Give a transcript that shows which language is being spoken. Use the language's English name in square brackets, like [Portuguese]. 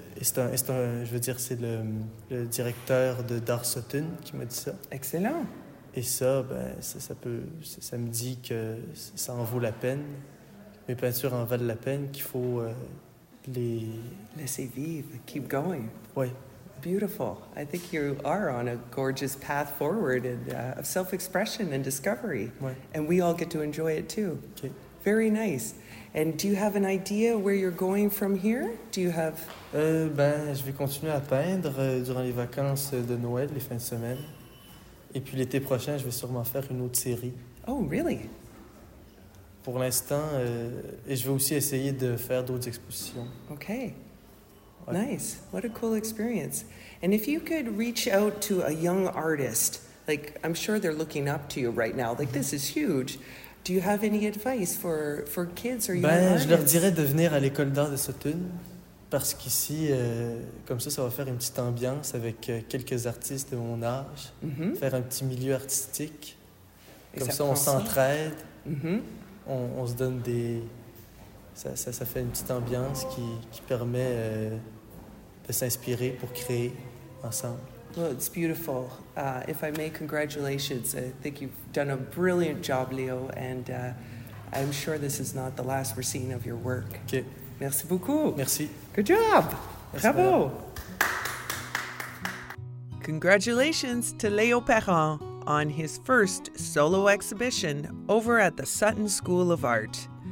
[French] c'est le directeur de Dar Sutton qui m'a dit ça. [English] Excellent. [French] Et ça, ça me dit que ça en vaut la peine. Mes peintures en valent la peine, qu'il faut les... Laisser vivre, [English] keep going. [French] Oui. [English] Beautiful. I think you are on a gorgeous path forward and, of self-expression and discovery. [French] Ouais. [English] And we all get to enjoy it too. Okay. Very nice. And do you have an idea where you're going from here? Do you have... [French] Je vais continuer à peindre durant les vacances de Noël, les fins de semaine. Et puis l'été prochain, je vais sûrement faire une autre série. [English] Oh, really? [French] Pour l'instant, et je vais aussi essayer de faire d'autres expositions. [English] Okay. Nice. What a cool experience. And if you could reach out to a young artist, like, I'm sure they're looking up to you right now. Like, this is huge. Do you have any advice for kids or young artists? [French] Je leur dirais de venir à l'école d'art de Sutton, parce qu'ici, comme ça va faire une petite ambiance avec quelques artistes de mon âge, mm-hmm. faire un petit milieu artistique. Comme ça, on s'entraide. Mm-hmm. On se donne des... Ça fait une petite ambiance qui permet de s'inspirer pour créer ensemble. [English] Well, it's beautiful. If I may, congratulations. I think you've done a brilliant job, Leo, and I'm sure this is not the last we're seeing of your work. Okay. [French] Merci beaucoup. Merci. [English] Good job. [French] Merci. Bravo. [English] Congratulations to Leo Perron on his first solo exhibition over at the Sutton School of Art.